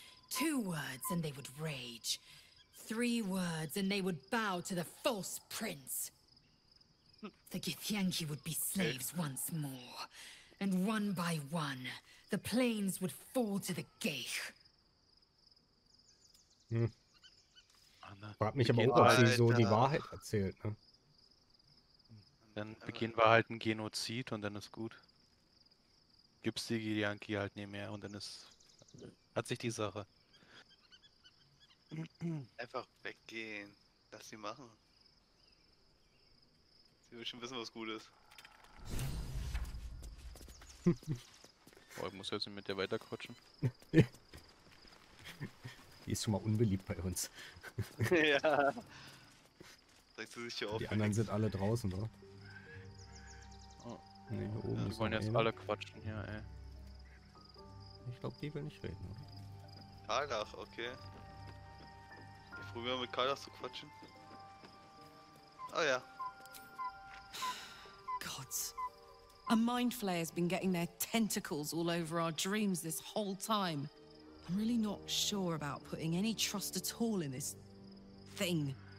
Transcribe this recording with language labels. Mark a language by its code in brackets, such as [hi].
[en] Two words and they would rage. Three words and they would bow to the false prince. The Githyanki would be slaves once more, and one by one, the plains would fall to the Geth. Hm. [de] Frag mich aber auch, ob sie so die Wahrheit erzählt, ne? Dann beginnen wir halt ein Genozid und dann ist gut. Gibt's die Githyanki halt nicht mehr und dann ist. Hat sich die Sache. Einfach weggehen. Lass sie machen. Sie will schon wissen, was gut ist. Oh, ich muss jetzt nicht mit dir weiterquatschen. Die ist schon mal unbeliebt bei uns. Ja. Sagst du sich hier auf? Die anderen sind alle draußen, oder? Oh. Nee, hier oben. Ja, die wollen jetzt alle quatschen hier, ey. Ich glaube, die will nicht reden, oder? Kardach, okay. Ich probiere mit Kardach zu quatschen. Oh ja. Gott. [en] A Mind Flayer has been getting their tentacles all over our dreams this whole time. I'm really not sure about putting any trust at all in this thing.